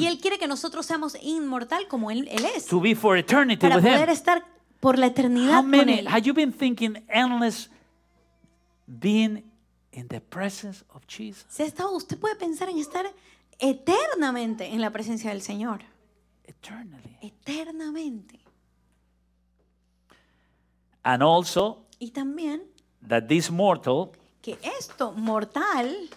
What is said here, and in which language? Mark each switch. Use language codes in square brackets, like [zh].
[es] Y él quiere que nosotros seamos inmortal como él es. [en] To be for eternity [es] para [en] with him. [es] Para poder estar por la eternidad [en] how many, [es] con él. [en] Have you been thinking endless being in the presence of Jesus. [es] Si está, usted puede pensar en estar eternamente en la presencia del Señor. [en] Eternally. [es] Eternamente. [en] And also, [es] y también, [en] that this mortal, [es] que esto mortal,